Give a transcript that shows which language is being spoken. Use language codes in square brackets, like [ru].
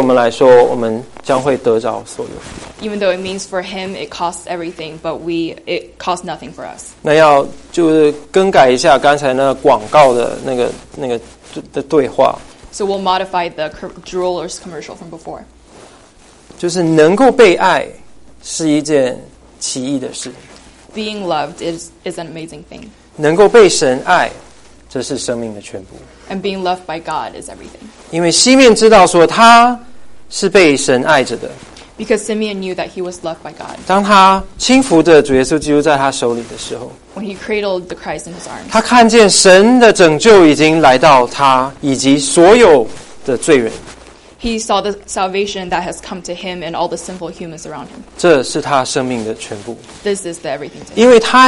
[zh] 虽然说这会使得他失去所有，并且对我们来说，我们将会得着所有。 [en] Even though it means for him, it costs everything, but it costs nothing for us. [zh] 那要就是更改一下刚才那广告的那个对话。 [en] So we'll modify the jeweler's commercial from before. [zh] 就是能够被爱是一件奇异的事。 [en] Being loved is an amazing thing. [zh] 能够被神爱。这是生命的全部 [en] And being loved by God is everything [zh] 因为西面知道说他是被神爱着的 [en] Because Simeon knew that he was loved by God [zh] 当他轻抚着主耶稣基督在他手里的时候 [en] When he cradled the Christ in his arms [zh] 他看见神的拯救已经来到他以及所有的罪人 [en] He saw the salvation that has come to him and all the sinful humans around him [zh] 这是他生命的全部 [en] This is the everything to him